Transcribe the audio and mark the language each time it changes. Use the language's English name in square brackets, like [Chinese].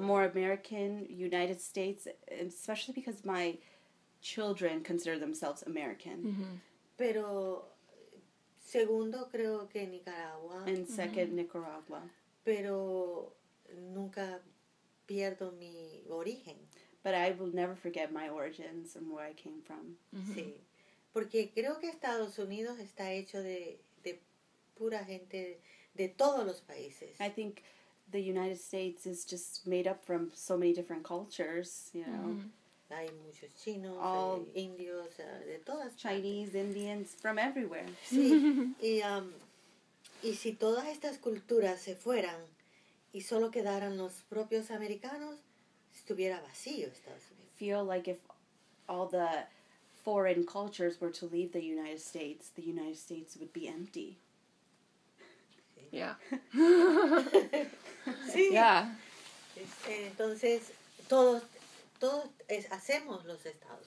[English] more American, United States, especially because my children consider themselves American. Mm-hmm. [Spanish] Pero segundo creo que Nicaragua. [English] And second, mm-hmm. Nicaragua. [Spanish] Pero nunca pierdo mi origen. [English] But I will never forget my origins and where I came from. [Spanish] Mm-hmm. Sí. Porque creo que Estados Unidos está hecho de pura gente de todos los países. [English] I think the United States is just made up from so many different cultures, you know. Mm-hmm. [Spanish] Hay muchos chinos, [English] all [Spanish] indios, de todas [English] Chinese [Spanish] partes. [English] Indians from everywhere. [Spanish] Sí. Y si todas estas culturas se fueran y solo quedaran los propios americanos, estuviera vacío Estados Unidos. [English] I feel like if all the foreign cultures were to leave the United States would be empty. Yeah. [Spanish] Sí. [English] Yeah. [Spanish] Entonces, todos hacemos los Estados.